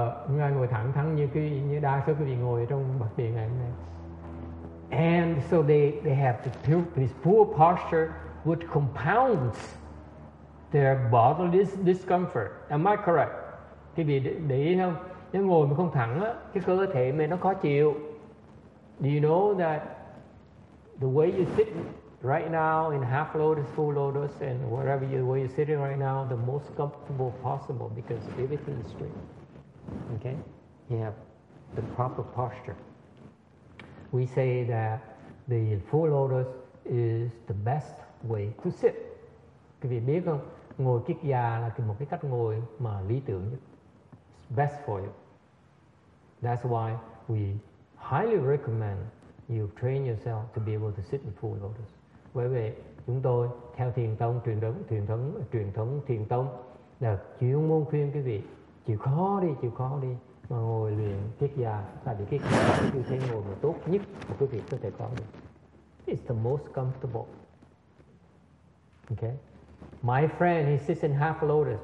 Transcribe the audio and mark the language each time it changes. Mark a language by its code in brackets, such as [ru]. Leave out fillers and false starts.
[vi] Ngài ngồi thẳng thắn như cái như đa số quý vị ngồi trong bậc điện ngày hôm nay. [en] And so they have the this poor posture which compounds their bodily discomfort. Am I correct? [vi] Quý vị để ý không? Nếu ngồi mà không thẳng á, cái cơ thể mình nó khó chịu. [en] Do you know that the way you sit right now in half lotus, full lotus, and whatever you, where you're sitting right now, the most comfortable possible because everything is straight. Okay? You have the proper posture. We say that the full lotus is the best way to sit. [vi] Quý vị biết không? Ngồi kikya là một cái cách ngồi mà lý tưởng nhất. [en] It's best for you. That's why we highly recommend you train yourself to be able to sit in full lotus. [vi] Bởi vì chúng tôi theo thiền tông truyền thống thiền tông là chuyên môn khuyên quý vị chịu khó đi mà ngồi luyện kiết già, tại vì kiết già là tư thế ngồi mà tốt nhất mà quý vị có thể có được. [en] It's the most comfortable. Okay, my friend, he sits in half lotus.